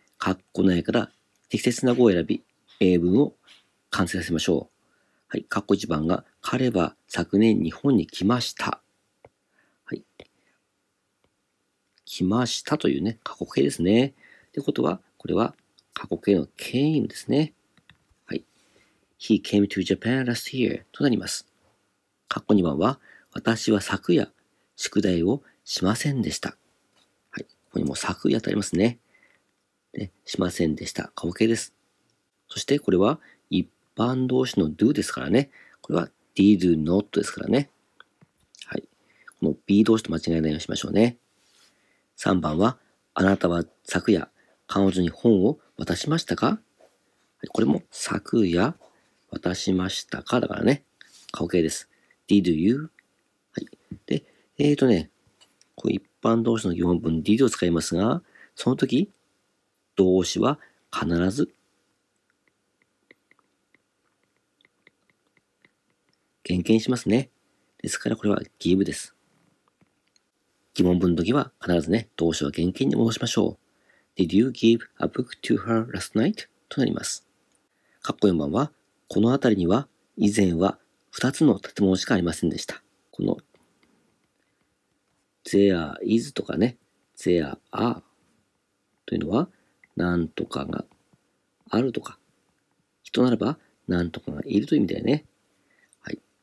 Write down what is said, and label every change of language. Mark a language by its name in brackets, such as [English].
[Japanese] 括弧内から適切な語を選び、英文を完成させましょう。はい。括弧一番が、彼は昨年日本に来ました。はい。来ましたというね、過去形ですね。ってことは、これは過去形の came ですね。はい。 [English] He came to Japan last year [Japanese] となります。括弧二番は、私は昨夜宿題をしませんでした。ここにも昨夜とありますね。で、しませんでした。過去形です。そして、これは一般動詞の do ですからね。これは did not ですからね。はい。この be 動詞と間違えないようにしましょうね。3番は、あなたは昨夜、彼女に本を渡しましたか？これも昨夜、渡しましたかだからね。過去形です。did you？ はい。で、こう一般動詞の疑問文 did を使いますが、その時、動詞は必ず原形にしますね。ですからこれは give です。疑問文の時は必ずね、動詞は原形に戻しましょう。 [English] Did you give a book to her last night? [Japanese] となります。括弧4番は、この辺りには以前は2つの建物しかありませんでした。このThere is とかね、there are というのは、なんとかがあるとか、人ならば、なんとかがいるという意味だよね。はい。